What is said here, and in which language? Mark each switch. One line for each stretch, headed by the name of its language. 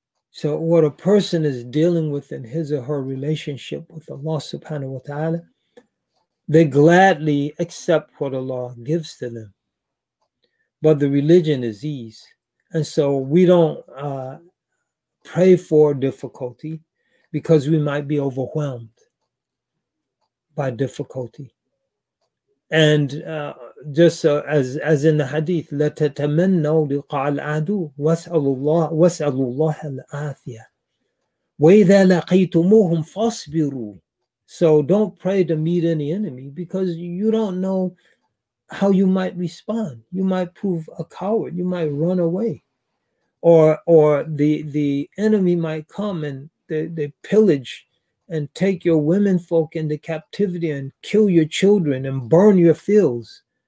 English: So what a person is dealing with in his or her relationship with Allah subhanahu wa ta'ala, they gladly accept what Allah gives to them. But the religion is ease. And so we don't pray for difficulty, because we might be overwhelmed by difficulty. And just as in the hadith,
Arabic: لَتَتَمَنَّوْ لِقَعَ الْعَدُوْ وَاسْأَلُوا اللَّهَ الْعَافِيَةِ وَإِذَا لَقِيْتُمُوهُمْ فَاصْبِرُوا.
English: So don't pray to meet any enemy, because you don't know how you might respond. You might prove a coward. You might run away. Or the enemy might come and they pillage and take your women folk into captivity and kill your children and burn your fields.